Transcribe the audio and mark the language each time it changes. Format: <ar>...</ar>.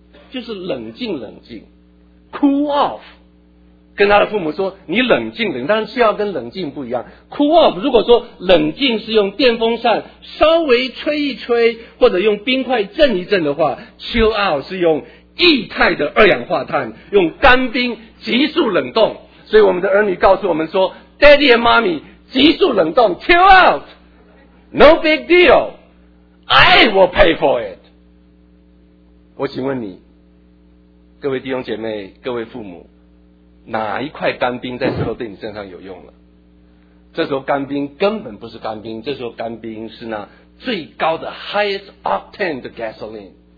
<zh>就是冷静冷静 cool off， 跟他的父母说你冷静冷静，当然是要跟冷静不一样。 cool off 如果说冷静是用电风扇稍微吹一吹，或者用冰块震一震的话， chill out 是用液态的二氧化碳，用干冰急速冷冻。所以我们的儿女告诉我们说</zh> <en>Daddy and Mommy</en> <zh>急速冷冻</zh> <en>chill out no big deal I will pay for it。</en> <zh>我请问你，各位弟兄姐妹，各位父母，哪一块干冰在时候对你身上有用了？这时候干冰根本不是干冰，这时候干冰是那最高的</zh> <en>highest octane</en> <zh>的 gasoline。</zh>